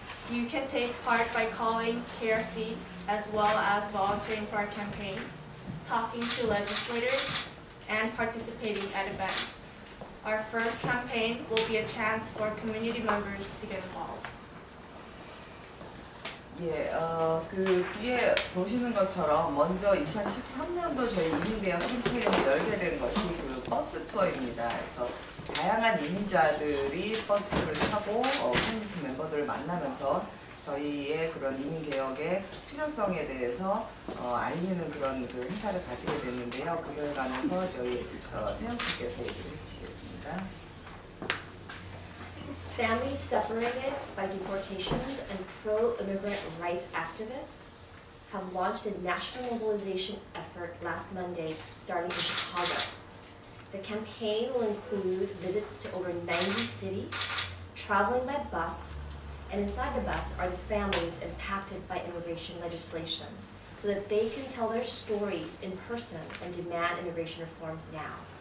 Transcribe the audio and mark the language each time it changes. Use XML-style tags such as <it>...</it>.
<en>You can take part by calling KRC as well as volunteering for our campaign, talking to legislators, and participating at events. Our first campaign will be a chance for community members to get involved.</en> <ko>예, 그 뒤에 보시는 것처럼 먼저 2013년도 저희 이민대학 캠페인이 열게 된 것이 그 버스 투어입니다. 그래서 다양한 이민자들이 버스를 타고 커뮤니티 멤버들을 만나면서 저희의 그런 이민 개혁의 필요성에 대해서 알리는 그런 그 행사를 가지게 됐는데요. 그 결과에서 저희 세영 씨께서 얘기를 해주시겠습니다.</ko> <en>Families separated by deportations and pro-immigrant rights activists have launched a national mobilization effort last Monday starting in Chicago. The campaign will include visits to over 90 cities, traveling by bus, and inside the bus are the families impacted by immigration legislation so that they can tell their stories in person and demand immigration reform now.</en>